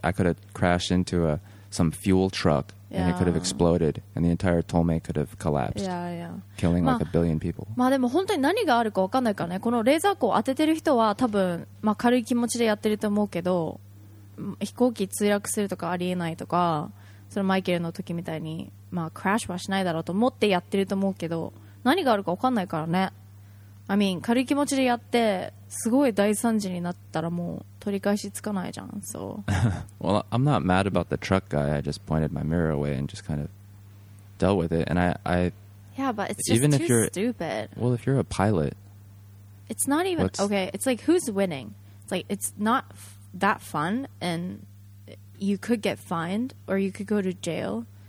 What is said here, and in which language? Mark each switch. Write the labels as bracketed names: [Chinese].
[English] I could have crashed into some fuel truck、 yeah. and it could have exploded and the entire Tome could have collapsed. Yeah, yeah. Killing、まあ、like a billion people. [Japanese] まあでも本当に何があるか分かんないからね。このレーザー光当ててる人は多分、まあ、軽い気持ちでやってると思うけど、飛行機墜落するとかありえないとか、そのマイケルの時みたいにまあクラッシュはしないだろうと思ってやってると思うけど、何があるか分かんないからね。 [English] I mean [Japanese] 軽い気持ちでやってすごい大惨事になったらもう取り返しつかないじゃん。 [English] So well, I'm not mad about the truck guy. I just pointed my mirror away and just kind of dealt with it. And I yeah, but it's just even too stupid. Well, if you're a pilot, it's not even okay. It's like who's winning? It's like it's not that fun, and you could get fined or you could go to jail.